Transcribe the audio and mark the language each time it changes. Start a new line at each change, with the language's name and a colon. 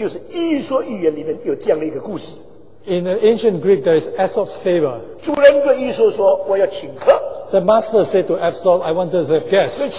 English: In the ancient Greek, there is Aesop's fable.
Chinese: 主人对伊说说, 我要请客。
English: The master said to Aesop, I want to have guests.